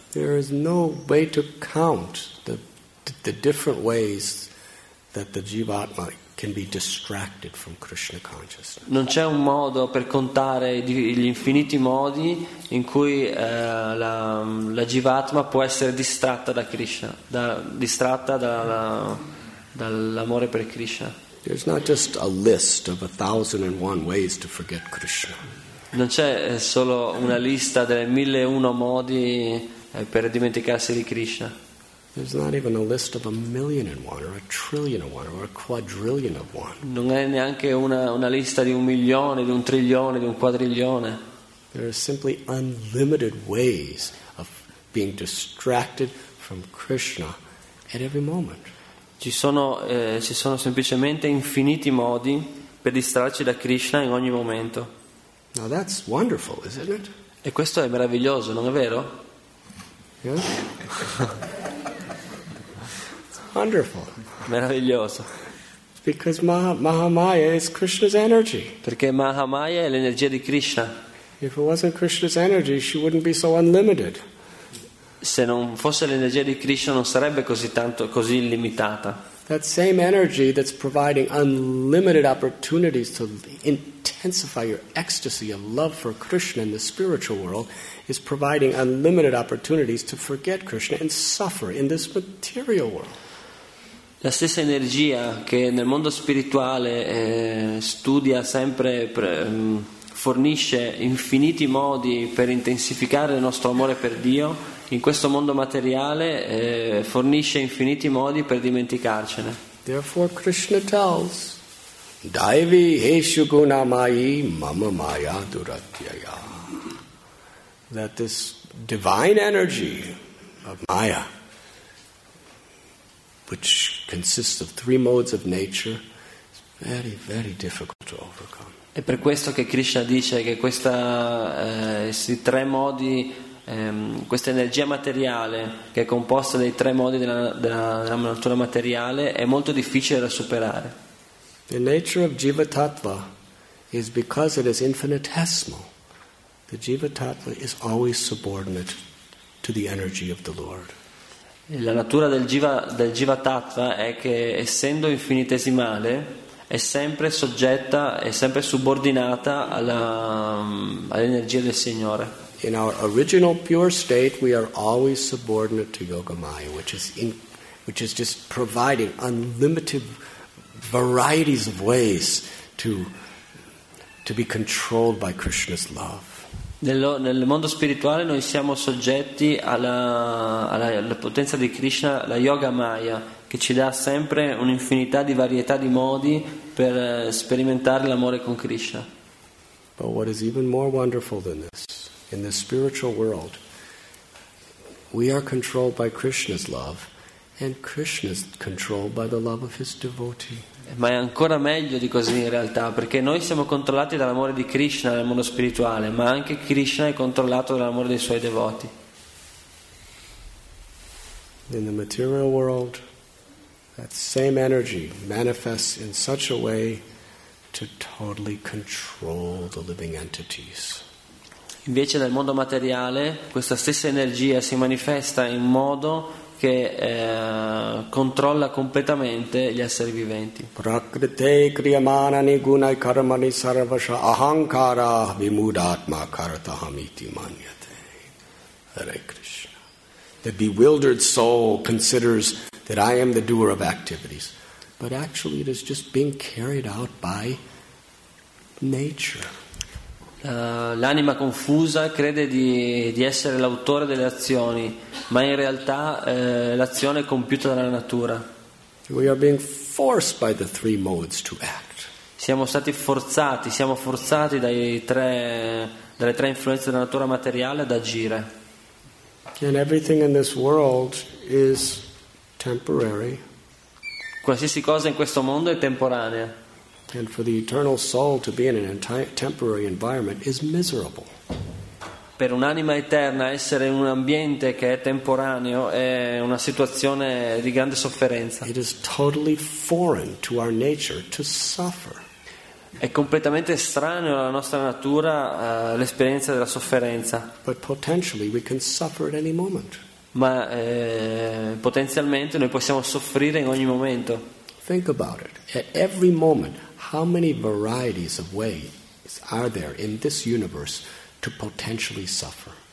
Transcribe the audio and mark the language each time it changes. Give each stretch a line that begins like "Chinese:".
English: There is no way to count the different ways that the Jivatma can be distracted from Krishna consciousness.
Italian: Non c'è un modo per contare gli infiniti modi in cui la Jivatma può essere distratta da Krishna, dall'amore per Krishna.
English: There's not just a list of 1001 ways to forget Krishna.
Italian: Non c'è solo una lista delle 1001 modi per dimenticarsi di Krishna.
English: There's not even a list of a million and one, or a trillion and one, or a quadrillion of one.
Italian: Non è neanche una lista di un milione, di un trilione, di un quadrilione.
English: There are simply unlimited ways of being distracted from Krishna at every moment.
Italian: Ci sono semplicemente infiniti modi per distrarci da Krishna in ogni momento.
English: Now that's wonderful, isn't it?
Italian: E questo è meraviglioso, non è vero?
English: Yeah. Wonderful.
Italian: Meraviglioso.
English: Because Mahamaya is Krishna's energy.
Italian: Perché Mahamaya è l'energia di Krishna.
English: If it wasn't Krishna's energy, she wouldn't be so unlimited.
Italian: Se non fosse l'energia di Krishna, non sarebbe così tanto, così illimitata.
English: That same energy that's providing unlimited opportunities to intensify your ecstasy of love for Krishna in the spiritual world is providing unlimited opportunities to forget Krishna and suffer in this material world.
Italian: La stessa energia che nel mondo spirituale studia sempre, fornisce infiniti modi per intensificare il nostro amore per Dio, in questo mondo materiale fornisce infiniti modi per dimenticarcene.
English: Therefore Krishna tells,
Sanskrit: Daivi heshu gunamai mama maya duratyaya,
English: that this divine energy of maya, which consists of three modes of nature, is very, very difficult to overcome.
Italian: È per questo che Krishna dice che questa questi tre modi, questa energia materiale che è composta dai tre modi della natura materiale è molto difficile da superare.
English: The nature of jiva tattva is because it is infinitesimal. The jiva tattva is always subordinate to the energy of the Lord.
Italian: La natura del jiva tattva è che, essendo infinitesimale, è sempre soggetta, è sempre subordinata all'energia del Signore.
English: In our original pure state we are always subordinate to Yogamaya, which is just providing unlimited varieties of ways to be controlled by Krishna's love.
Italian: Nel mondo spirituale noi siamo soggetti alla potenza di Krishna, la Yoga Maya, che ci dà sempre un'infinità di varietà di modi per sperimentare l'amore con Krishna.
English: But what is even more wonderful than this, in the spiritual world, we are controlled by Krishna's love, and Krishna's controlled by the love of his devotee.
Italian: Ma è ancora meglio di così in realtà, perché noi siamo controllati dall'amore di Krishna nel mondo spirituale, ma anche Krishna è controllato dall'amore dei suoi devoti.
English: In the material world that same energy manifests in such a way to totally control the living entities.
Italian: Invece nel mondo materiale questa stessa energia si manifesta in modo che controlla completamente gli esseri viventi.
Sanskrit: Prakrite kriyamanani gunai karmani sarvasha ahankara vimudatma kartahamiti manyate. Hare Krishna.
English: The bewildered soul considers that I am the doer of activities, but actually it is just being carried out by nature.
Italian: L'anima confusa crede di essere l'autore delle azioni, ma in realtà l'azione è compiuta dalla natura.
English: We are being forced by the three modes to act.
Italian: Siamo forzati dalle tre influenze della natura materiale ad agire.
English: And everything in this world is temporary.
Italian: Qualsiasi cosa in questo mondo è temporanea.
English: And for the eternal soul to be in an entire temporary environment is miserable.
Italian: Per un'anima eterna essere in un ambiente che è temporaneo è una situazione di grande sofferenza.
English: It is totally foreign to our nature to suffer.
Italian: È completamente estraneo alla nostra natura l'esperienza della sofferenza.
English: But potentially we can suffer at any moment.
Italian: Ma potenzialmente noi possiamo soffrire in ogni momento.
English: Think about it. At every moment, how many varieties of ways are there in this universe to potentially suffer?